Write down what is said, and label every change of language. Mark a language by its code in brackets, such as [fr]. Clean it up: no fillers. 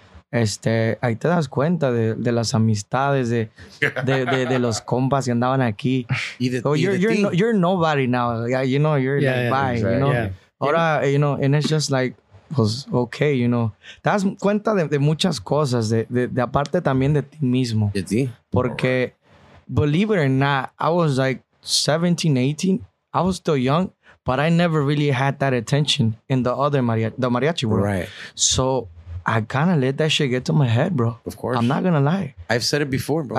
[es] este, ahí te das cuenta de las amistades, de los compas que andaban aquí. [en] You're nobody now. Yeah, you know, you're yeah, like, yeah, bye. Exactly. You know? Yeah. [es] Ahora, [en] you know, and it's just like, [es] pues, [en] okay, you know. [es] Te das cuenta de muchas cosas, de aparte también de ti mismo. De ti. Porque, [en] believe it or not, I was like 17, 18. I was still young, but I never really had that attention in the other mariachi world. Right. So I kind of let that shit get to my head, bro. Of course. I'm not going to lie. I've said it before, bro.